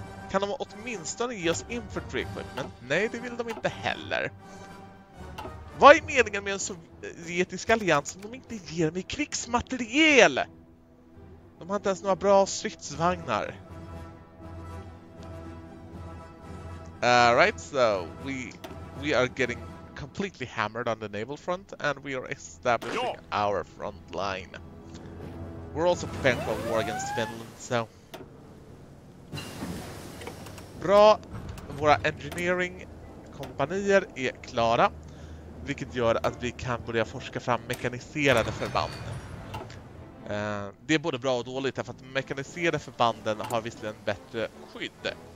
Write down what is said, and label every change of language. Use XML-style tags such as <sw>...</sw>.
<sv>Kan de åtminstone ge oss</sv> <en>infantry equipment?</en> <sv>Nej, det vill de inte heller. Vad är meningen med en sovjetisk allians om de inte ger mig krigsmateriel? De har inte ens några bra stridsvagnar.</sv> <en>Alright, so we are getting completely hammered on the naval front and we are establishing our front line. We're also preparing for war against Finland, so...</en> <sv>Bra, våra engineering-kompanier är klara, vilket gör att vi kan börja forska fram mekaniserade förband. Det är både bra och dåligt, därför att mekaniserade förbanden har visserligen bättre skydd.</sv>